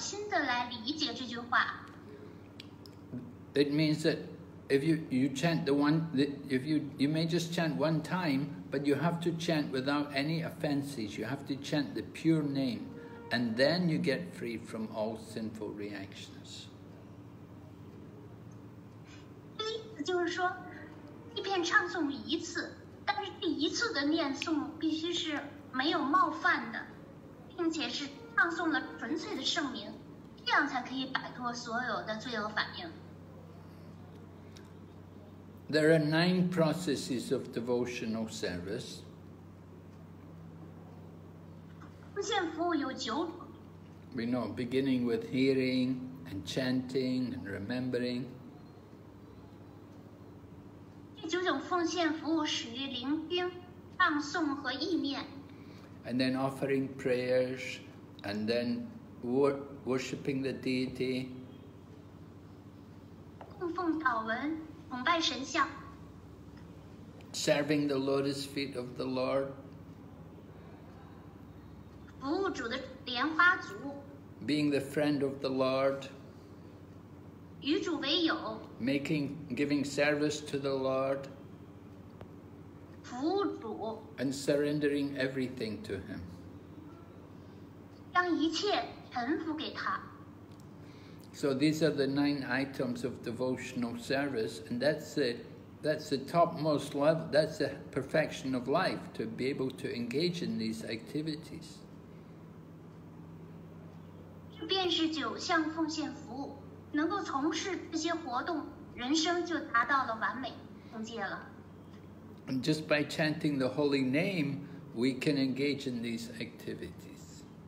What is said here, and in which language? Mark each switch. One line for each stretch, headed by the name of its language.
Chinese: 所以要小心的来理解这句话。
English: It means that if you may just chant one time, but you have to chant without any offenses. You have to chant the pure name, and then you get free from all sinful reactions.
Chinese: 意思就是说， 即便唱诵一次，但是这一次的念诵必须是没有冒犯的，并且是唱诵了纯粹的圣名，这样才可以摆脱所有的罪恶反应。There
English: are 9 processes of devotional service.
Chinese: 奉献服务有九种。
English: We know, beginning with hearing and chanting and remembering.
Chinese: 第九种奉献服务始于聆听、放送和意念。
English: And then offering prayers, and then worshipping the deity.
Chinese: 供奉祷文，崇拜神像。
English: Serving the lotus feet of the Lord.
Chinese: 服务主的莲花足。
English: Being the friend of the Lord.
Chinese: 与主为友。
English: Giving service to the Lord.
Chinese: 服务主。
English: And surrendering everything to Him.
Chinese: 将一切臣服给他。
English: So these are the 9 items of devotional service, and that's it. That's the topmost level. That's the perfection of life, to be able to engage in these activities.
Chinese: 便是九项奉献服务，能够从事这些活动，人生就达到了完美境界了。
English: And just by chanting the holy name, we can engage in these activities.